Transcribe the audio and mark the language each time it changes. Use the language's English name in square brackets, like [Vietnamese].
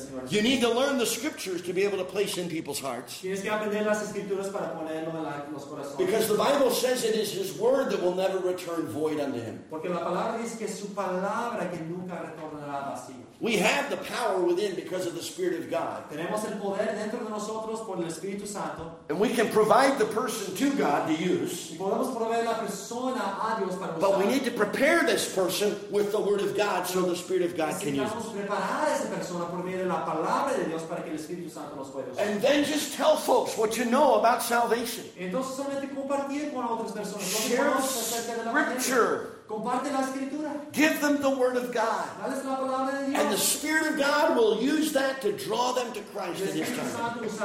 [English] You need to learn the scriptures to be able to place in people's hearts. [Spanish] Tienes que aprender las escrituras para ponerlo en los corazones. [English] Because the Bible says it is His word that will never return void unto Him. [Spanish] Porque la palabra dice que su palabra que nunca retornará vacío. [English] We have the power within because of the Spirit of God. [Spanish] Tenemos el poder dentro de nosotros por el Espíritu Santo. [English] And we can provide the person to God to use. [Spanish] Y podemos proveer la persona a Dios para usar. [English] But we need to prepare this person with the Word of God so the Spirit of God can use. [Spanish] Necesitamos preparar a esa persona por medio de la palabra de Dios para que el Espíritu Santo los pueda usar. [English] And then just tell folks what you know about salvation. [Spanish] Entonces solamente compartir con otras personas. [English] Share Scripture. Give them the Word of God. And the Spirit of God will use that to draw them to Christ in His time.